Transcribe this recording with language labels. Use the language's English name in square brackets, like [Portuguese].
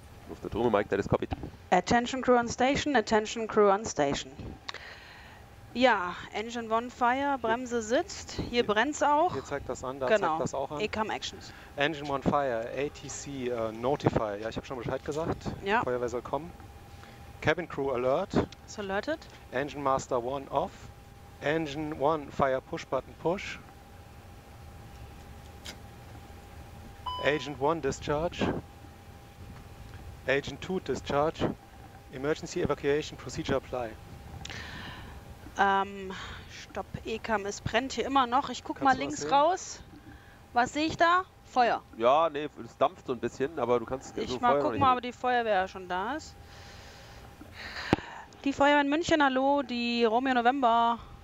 [English] Lufthansa Romeo Mike, that is copied. Attention crew on station, attention crew on station. [German] Ja, [English] Engine One Fire, [German] Bremse sitzt, hier brennt es auch. Hier zeigt das an, da genau. Zeigt das auch an. [English] ECAM Actions. Engine One Fire, ATC Notify, [German] ja, ich habe schon Bescheid gesagt, ja. Feuerwehr soll kommen. [English] Cabin Crew Alert. [German] Ist alerted. [English] Engine Master One Off. Engine One Fire Push Button Push. Agent One Discharge. Agent Two Discharge. Emergency Evacuation Procedure Apply. [German] Stopp, ECAM, es brennt hier immer noch. Ich guck mal links raus. Was sehe ich da? Feuer. Ja, nee, es dampft so ein bisschen, aber du kannst... Ich mal gucken, ob die Feuerwehr schon da ist. Die Feuerwehr in München, hallo, die Romeo November.